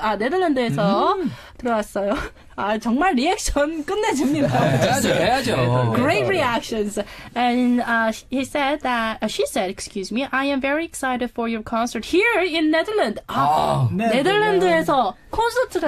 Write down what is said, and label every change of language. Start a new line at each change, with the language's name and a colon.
Korean: 아, 네덜란드에서 들어왔어요. 아, 정말 리액션 끝내줍니다.
English: Great reactions. And he said that, she said, excuse me, I am very excited for your concert here in Netherlands.
Korean: 아, 네덜란드에서 콘서트를.